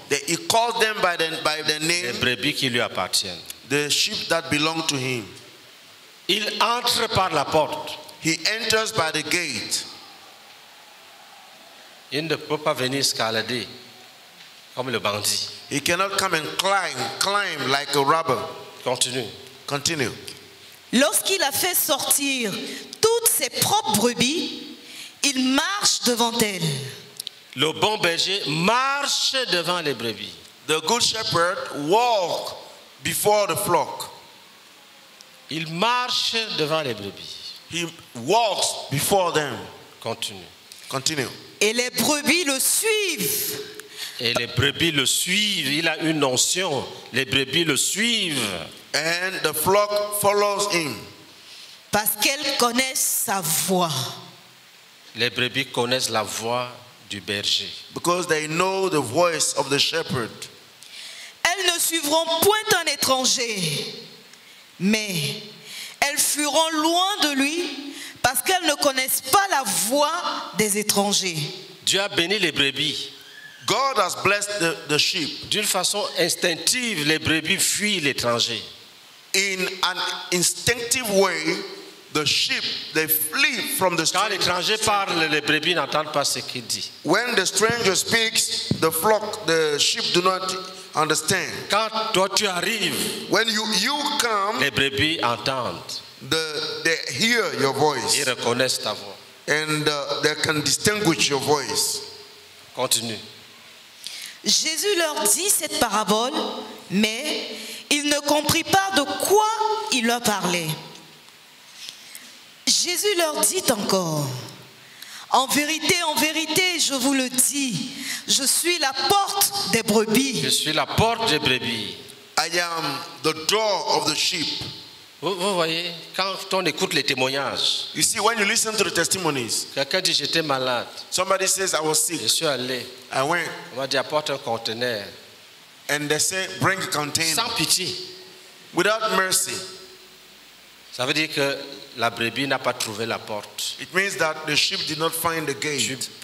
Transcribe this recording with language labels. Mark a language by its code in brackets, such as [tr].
[en] He calls them by their name. [fr] Les brebis qui lui appartiennent. [en] The sheep that belong to him. [fr] Il entre par la porte. [en] He enters by the gate. [fr] Il ne peut pas venir escalader comme le bandit. [en] He cannot come and climb like a robber. [fr] Continue. Lorsqu'il a fait sortir toutes ses propres brebis, il marche devant elle. Le bon berger marche devant les brebis. [en] The good shepherd walk before the flock. [fr] Il marche devant les brebis. [en] He walks before them. [fr] Continue. Et les brebis le suivent. Et les brebis le suivent. Il a une notion. Les brebis le suivent. [en] And the flock follows him. [fr] Parce qu'elles connaissent sa voix. Les brebis connaissent la voix du berger. [en] Because they know the voice of the shepherd. [fr] Elles ne suivront point un étranger, mais elles fuiront loin de lui parce qu'elles ne connaissent pas la voix des étrangers. Dieu a béni les brebis. [en] God has blessed the sheep. [fr] D'une façon instinctive, les brebis fuient l'étranger. [en] In an instinctive way, the sheep, they flee from the stranger. [fr] Quand l'étranger parle, les brebis n'entendent pas ce qu'il dit. [en] When the stranger speaks, the flock, the sheep do not understand. [fr] Quand toi tu arrives, [en] when you come, [fr] les brebis entendent. [en] They hear your voice. [fr] Ils reconnaissent ta voix. [en] And they can distinguish your voice. [fr] Continue. Jésus leur dit cette parabole, mais ils ne comprirent pas de quoi il leur parlait. Jésus leur dit encore, « en vérité, je vous le dis, je suis la porte des brebis. » Je suis la porte des brebis. [en] I am the door of the sheep. [fr] Vous voyez, quand on écoute les témoignages, [en] you see, when you listen to the testimonies, [fr] quelqu'un dit, « j'étais malade. » [en] Somebody says, « I was sick. » [fr] Je suis allé. [en] I went. [fr] On m'a dit, « apporte un conteneur. » [en] And they say, « bring a container. » [fr] Sans pitié. [en] Without mercy. [fr] Ça veut dire que la brebis n'a pas trouvé la porte. [en] It means that the sheep did not find the gate.